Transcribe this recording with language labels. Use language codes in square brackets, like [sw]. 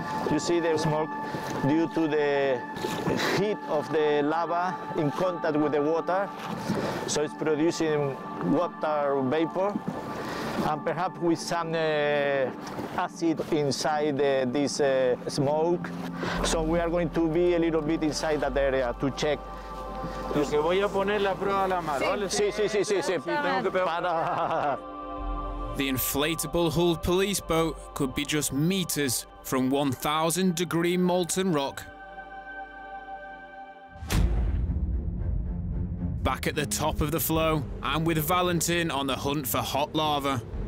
[en] You see the smoke due to the heat of the lava in contact with the water. So it's producing water vapor and perhaps with some acid inside this smoke. So we are going to be a little bit inside that area to check. [es] Lo que voy a poner la prueba a la mar, ¿vale? Sí. Tengo que pegar. [en] The inflatable hull police boat could be just meters from 1,000 degree molten rock. back at the top of the flow and with Valentin on the hunt for hot lava.